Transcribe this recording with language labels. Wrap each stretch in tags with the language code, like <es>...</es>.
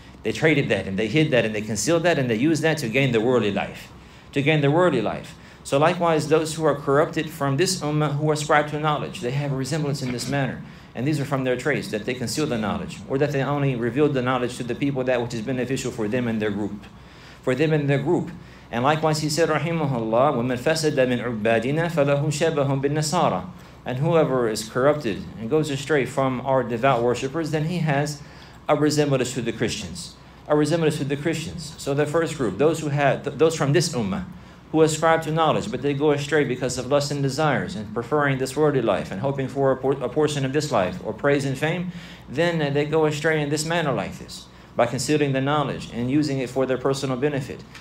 <en>They traded that, and they hid that, and they concealed that, and they used that to gain the worldly life. To gain the worldly life. So likewise, those who are corrupted from this ummah who ascribe to knowledge, they have a resemblance in this manner. And these are from their traits, that they conceal the knowledge, or that they only revealed the knowledge to the people that which is beneficial for them and their group. For them and their group. And likewise, he said, rahimahullah,</en> <ar>وَمَنْ فَسَدَ مِنْ عُبَّادِنَا فَلَهُ شَبَهُمْ بِالنَّصَارَى.</ar> <en>And whoever is corrupted and goes astray from our devout worshippers, then he has a resemblance to the Christians. A resemblance to the Christians. So the first group, those from this ummah, who ascribe to knowledge, but they go astray because of lust and desires and preferring this worldly life and hoping for a portion of this life or praise and fame, then they go astray in this manner like this, by concealing the knowledge and using it for their personal benefit.</en>